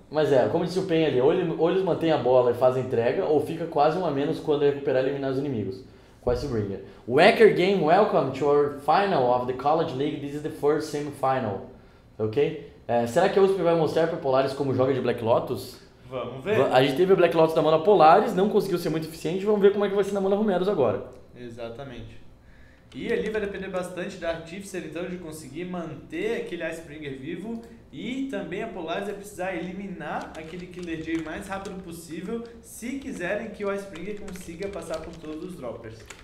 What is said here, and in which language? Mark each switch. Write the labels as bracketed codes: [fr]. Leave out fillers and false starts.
[pt] Mas como disse o Pen ali, ou eles mantêm a bola e fazem entrega, ou fica quase um a menos quando recuperar e eliminar os inimigos. Quase o Bringer. [en] Wacker Game, welcome to our final of the College League. This is the first semifinal. [pt] Ok? Será que a USP vai mostrar para Polaris como joga de Black Lotus? Vamos ver. A gente teve a Black Lotus na mão da Polaris, não conseguiu ser muito eficiente. Vamos ver como é que vai ser na mão da Romeros agora. Exatamente. E ali vai depender bastante da Artificer, então, de conseguir manter aquele Icebringer vivo. E também a Polaris vai precisar eliminar aquele Killer Jay o mais rápido possível, se quiserem que o Icebringer consiga passar por todos os Droppers.